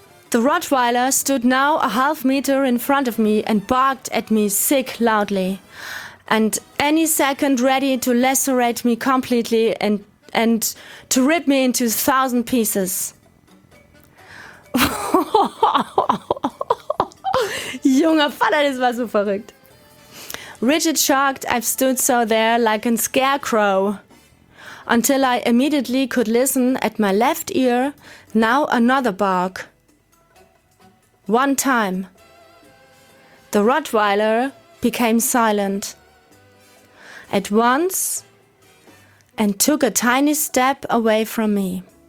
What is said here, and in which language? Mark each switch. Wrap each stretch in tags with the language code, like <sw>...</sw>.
<en>The Rottweiler stood now a half meter in front of me and barked at me sick loudly, and any second ready to lacerate me completely and to rip me into a thousand pieces.</en> <de>Junger Vater, das war so verrückt.</de> <en>Rigid shocked, I stood so there like a scarecrow, until I immediately could listen at my left ear, now another bark. One time, the Rottweiler became silent at once and took a tiny step away from me.</en>